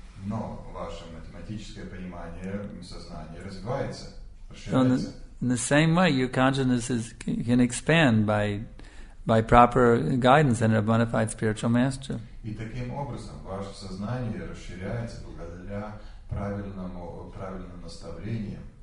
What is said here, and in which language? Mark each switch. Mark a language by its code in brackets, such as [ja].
[ru] Но ваше математическое понимание сознания развивается. [en] So in the same way, your consciousness can expand by proper guidance under a bona fide spiritual master. [ru] И таким образом ваше сознание расширяется благодаря правильным наставлениям.